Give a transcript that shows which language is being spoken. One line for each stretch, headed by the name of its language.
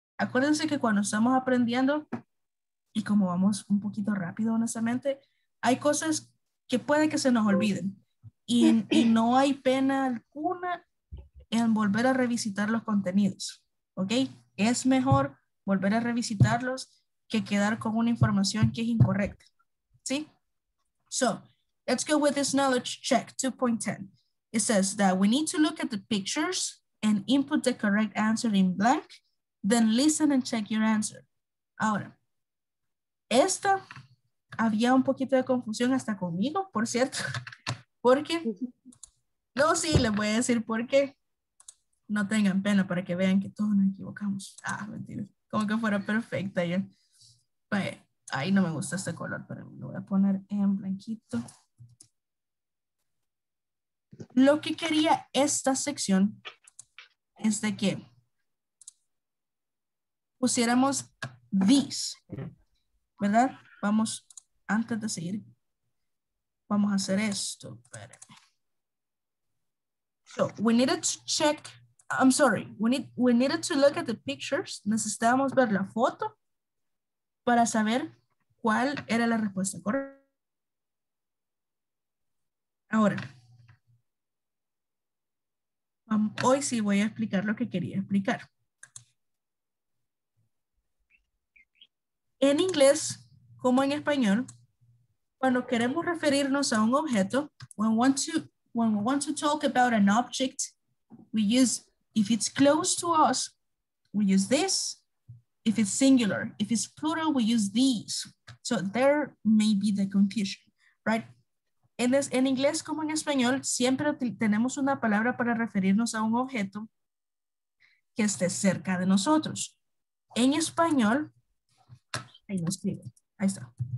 Spanish: Acuérdense que cuando estamos aprendiendo, y como vamos un poquito rápido, honestamente, hay cosas que puede que se nos olviden. Y no hay pena alguna en volver a revisitar los contenidos. ¿Ok? Es mejor volver a revisitarlos que quedar con una información que es incorrecta.
English: ¿Sí? So, let's go with this knowledge check 2.10. It says that we need to look at the pictures and input the correct answer in blank, then listen and check your answer.
Spanish: Ahora, esta había un poquito de confusión hasta conmigo, por cierto, porque no, sí, les voy a decir por qué. No tengan pena para que vean que todos nos equivocamos. Ah, mentira, como que fuera perfecta ya. Pues, ahí no me gusta este color, pero lo voy a poner en blanquito. Lo que quería esta sección es de que pusiéramos these, ¿verdad? Vamos, antes de seguir, vamos a hacer esto.
English: So, we needed to check, I'm sorry, we needed to look at the pictures.
Spanish: Necesitábamos ver la foto para saber cuál era la respuesta correcta. Ahora, hoy sí voy a explicar lo que quería explicar. En inglés, como en español, cuando queremos referirnos a un objeto,
English: when we want to talk about an object, we use, if it's close to us, we use this. If it's singular, if it's plural, we use these. So there may be the confusion, right?
Spanish: En inglés como en español, siempre tenemos una palabra para referirnos a un objeto que esté cerca de nosotros. En español, ahí lo escribo, ahí está.